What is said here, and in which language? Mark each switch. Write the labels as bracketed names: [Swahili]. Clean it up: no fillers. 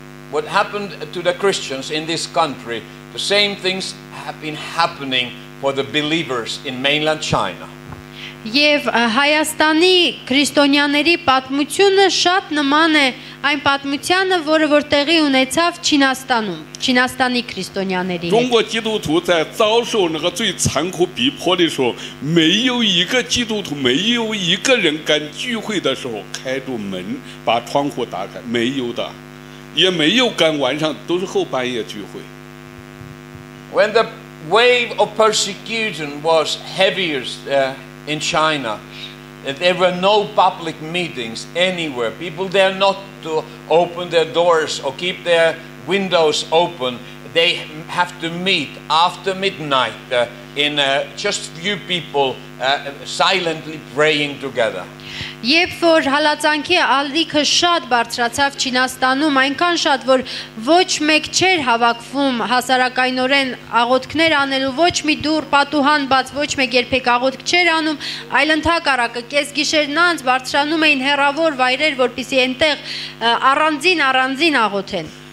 [English] What happened to the Christians in this country, the same things have been happening for the believers in mainland China. [Armenian] Եվ Հայաստանի քրիստոնյաների պատմությունը շատ նման է այն պատմությանը, որը որտեղի ունեցավ Չինաստանում, Չինաստանի քրիստոնյաների [Chinese] հետ։ 中国基督徒在遭受那个最残酷逼迫的时候，没有一个基督徒，没有一个人敢聚会的时候开住门，把窗户打开，没有的，也没有敢晚上，都是后半夜聚会。 [English] When the wave of persecution was heaviest in China. There were no public meetings anywhere. People dare not to open their doors or keep their windows open. They have to meet after midnight in just few people silently praying together. [Armenian] Երբ որ հալածանքի ալիքը շատ բարձրացավ Չինաստանում, այնքան շատ, որ ոչ մեկ չէր հավաքվում հասարակայնորեն աղոթքներ անելու, ոչ մի դուռ պատուհան բաց, ոչ մեկ երբեք աղոթք չէր անում, այլ ընդհակառակը կեսգիշերն անց բարձրանում էին հեռավոր վայրեր, որպեսզի այնտեղ առանձին աղոթեն։